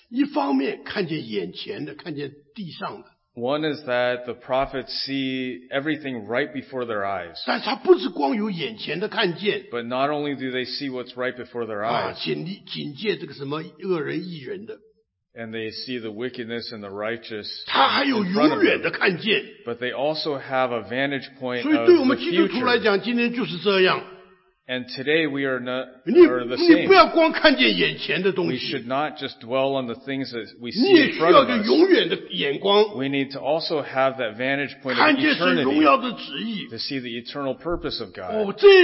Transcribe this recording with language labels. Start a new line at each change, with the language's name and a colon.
Chinese: 一方面看见眼前的, 看见地上的,
English: One is that the prophets see everything right before their eyes.
Chinese: 但是他不是光有眼前的看见,
English: but not only do they see what's right before their eyes,
Chinese: 啊, 警戒这个什么恶人异人的,
English: and they see the wickedness and the righteous,
Chinese: 他还有永远的看见,
English: but they also have a vantage point of the future.
Chinese: 所以对我们基督徒来讲, 今天就是这样。
English: And today we are not the same. We should not just dwell on the things that we see in front of us. We need to also have that vantage point of eternity to see the eternal purpose of God.